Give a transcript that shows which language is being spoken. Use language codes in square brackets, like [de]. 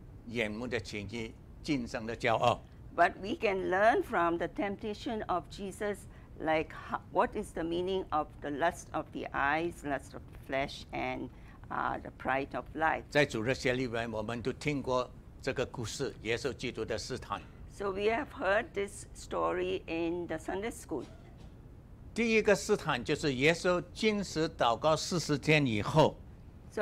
[zh] 但是我们可以从耶稣基督的三个试探里面明白什么叫做肉体的情欲、眼目的情欲、今生的骄傲。 [en] But we can learn from the temptation of Jesus, like what is the meaning of the lust of the eyes, lust of the flesh, and the pride of life. [zh] 在主日学里面，我们都听过这个故事，耶稣基督的试探。 [en] So we have heard this story in the Sunday school. [zh] 第一个试探就是耶稣禁食祷告40天以后。 [en] So